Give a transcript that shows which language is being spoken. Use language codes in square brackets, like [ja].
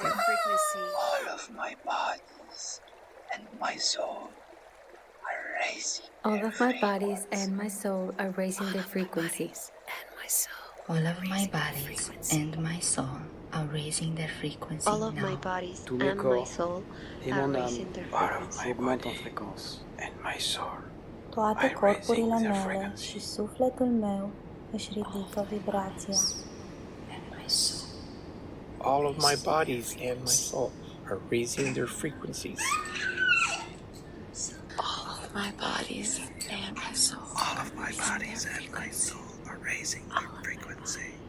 [en] All of my bodies and my soul are raising their all of my bodies and my soul are raising their frequencies. All of my bodies and my soul are raising their frequency now. All of my bodies and my soul are raising their frequency. All of my bodies and my soul. [ro] Toate corpurile mele și sufletul meu își ridică vibrația. [en] All of my bodies and my soul are raising their frequencies. All of my bodies and my soul. All of my bodies and my soul are raising their frequencies.